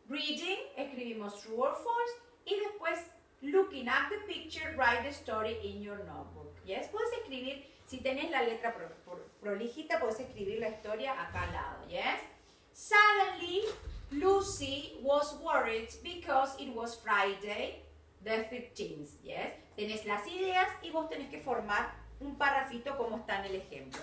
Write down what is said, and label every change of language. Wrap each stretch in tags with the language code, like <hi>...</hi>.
<en>Reading,</en> <es>escribimos</es> <en>true or false.</en> <es>Y después,</es> <en>looking at the picture, write the story in your notebook. ¿Yes?</en> <es>Puedes escribir, si tenés la letra prolijita, puedes escribir la historia acá al lado.</es> <en>¿Yes? Suddenly, Lucy was worried because it was Friday the 15th. ¿Yes?</en> <es>Tenés las ideas y vos tenés que formar un parrafito como está en el ejemplo.</es>